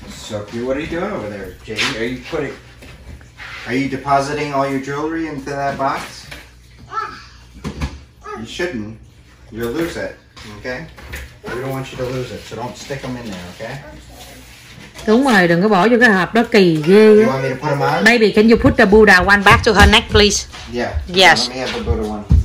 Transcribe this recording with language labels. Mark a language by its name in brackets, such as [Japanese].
[English] So, what are you doing over there, Jane? Are you putting, are you depositing all your jewelry into that box? You shouldn't. You'll lose it, okay? We don't want you to lose it, so don't stick them in there, okay? [Vietnamese] Đúng rồi, đừng có bỏ vô cái hộp đó, kỳ ghê. [English] Maybe can you put the Buddha one back to her neck, please? Yeah. Yes. Let me have the Buddha one.